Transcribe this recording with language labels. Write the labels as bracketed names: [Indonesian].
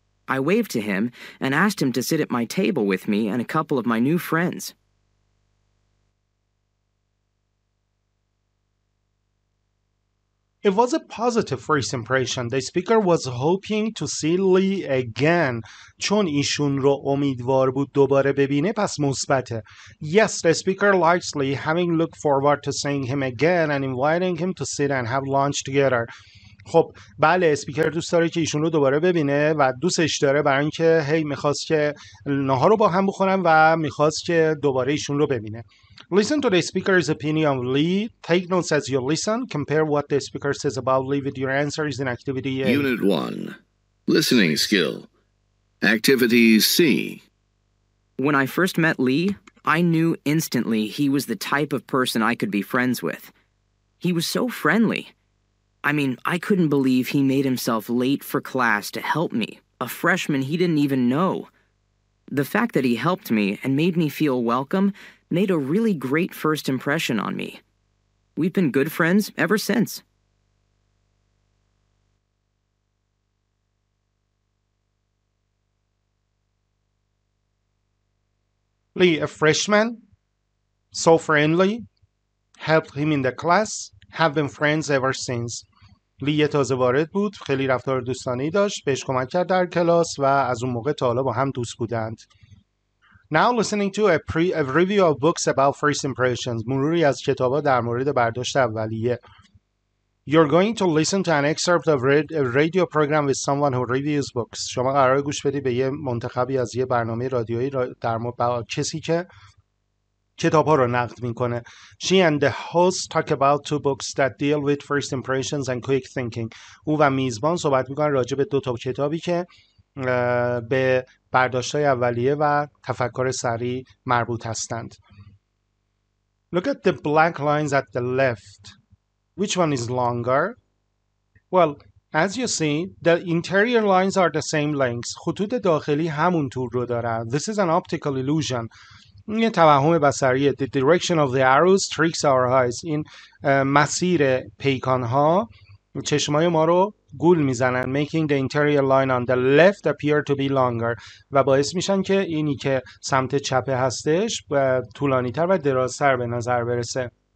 [English] I waved to him and asked him to sit at my table with me and a couple of my new friends. It was a positive first impression. The speaker was hoping to see Lee again. [Persian] چون ایشون رو امیدوار بود دوباره ببینه پس مثبته. [English] Yes, the speaker likes Lee, having looked forward to seeing him again and inviting him to sit and have lunch together. [Persian] خب بله، اسپیکر دوست داره که ایشون رو دوباره ببینه و دوستش داره، برای اینکه هی میخواست که نهار رو با هم بخورن و میخواست که دوباره ایشون رو ببینه. [English] Listen to the speaker's opinion of Lee. Take notes as you listen. Compare what the speaker says about Lee with your answers in activity A. Unit 1. Listening skill. Activity C. When I first met Lee, I knew instantly he was the type of person I could be friends with. He was so friendly. I mean, I couldn't believe he made himself late for class to help me, a freshman he didn't even know. The fact that he helped me and made me feel welcome made a really great first impression on me. We've been good friends ever since. Lee, a freshman, so friendly, helped him in the class, have been friends ever since. [Persian] لیه تازه وارد بود، خیلی رفتار دوستانه‌ای داشت، بهش کمک کرد در کلاس و از اون موقع تا حالا با هم دوست بودند. [English] Now listening to a review of books about first impressions. [Persian] مروری از کتابا در مورد برداشت اولیه. [English] You're going to listen to an excerpt of a radio program with someone who reviews books. [Persian] شما قرار گوش بدی به یه منتخبی از یه برنامه رادیویی در مورد با کسی که کتاب‌ها رو نقد می‌کنه. [English] She and the host talk about two books that deal with first impressions and quick thinking. [Persian] او و میزبان صحبت می‌کنن راجع به دو تا کتابی که به برداشت‌های اولیه و تفکر سریع مربوط هستند. [English] Look at the black lines at the left. Which one is longer? Well, as you see, the interior lines are the same length. [Persian] خطوط داخلی همون طول رو دارن. [English] This is an optical illusion. [Persian] این توهم بصریه. [English] The direction of the arrows tricks our eyes. [Persian] این مسیر پیکان‌ها چشمای ما رو گول میزنن. [English] Making the interior line on the left appear to be longer. [Persian] و باعث میشن که اینی که سمت چپه هستش طولانی‌تر و درازتر به نظر برسه.